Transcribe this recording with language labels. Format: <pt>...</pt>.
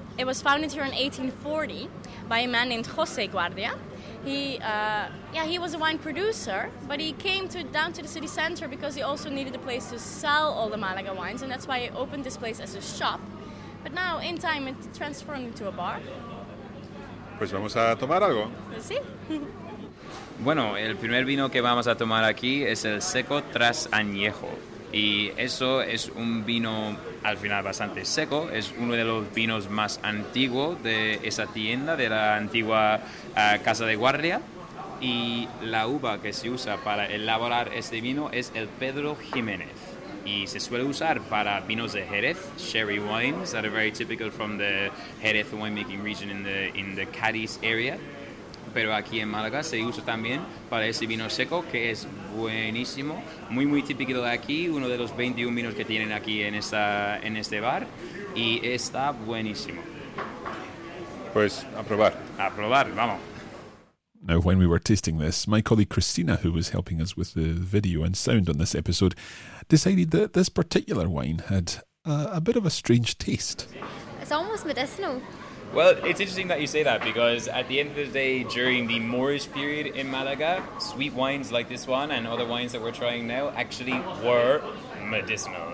<en>It was founded here in 1840 by a man named José Guardia. He was a wine producer, but he came down to the city center because he also needed a place to sell all the Malaga wines, and that's why he opened this place as a shop. But now, in time, it transformed into a bar.</en> <es>Pues vamos a tomar algo. Sí. Bueno, el primer vino que vamos a tomar aquí es el Seco Tras Añejo. Y eso es un vino, al final, bastante seco. Es uno de los vinos más antiguos de esa tienda, de la antigua Casa de Guardia. Y la uva que se usa para elaborar este vino es el Pedro Jiménez. Y se suele usar para vinos de Jerez,</es> <en>sherry wines, that are very typical from the Jerez winemaking region in the Cádiz area.</en> <es>Pero aquí en Málaga se usa también para ese vino seco, que es buenísimo, muy, muy típico de aquí, uno de los 21 vinos que tienen aquí en este bar, y está buenísimo. Pues, a probar. A probar, vamos.</es> <en>Now, when we were tasting this, my colleague Christina, who was helping us with the video and sound on this episode, decided that this particular wine had a bit of a strange taste. It's almost medicinal. Well, it's interesting that you say that, because at the end of the day, during the Moorish period in Malaga, sweet wines like this one and other wines that we're trying now actually were medicinal.</en>